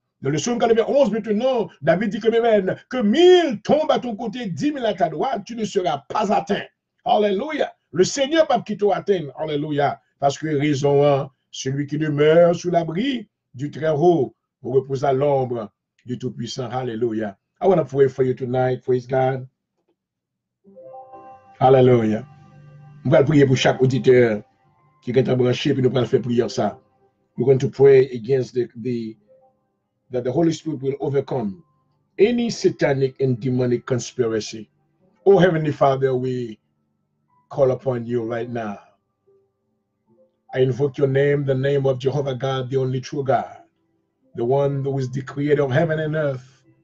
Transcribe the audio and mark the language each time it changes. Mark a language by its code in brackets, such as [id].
[fr] Dans le psaume 91, maintenant, David dit que, amen, que 1000 tombent à ton côté, 10 000 à ta droite, tu ne seras pas atteint. Alléluia. Le Seigneur pas qui t'atteigne. Alléluia. Parce que raison 1, celui qui demeure sous l'abri du Très-Haut repose à l'ombre du Tout-Puissant. Alléluia. [en] I want to pray for you tonight, praise God. [fr] Alléluia. On va prier pour chaque auditeur qui est branché puis nous va faire prier ça. [en] We're going to pray against that the Holy Spirit will overcome any satanic and demonic conspiracy. Oh Heavenly Father, we call upon you right now. I invoke your name, the name of Jehovah God, the only true God, the one who is the creator of heaven and earth.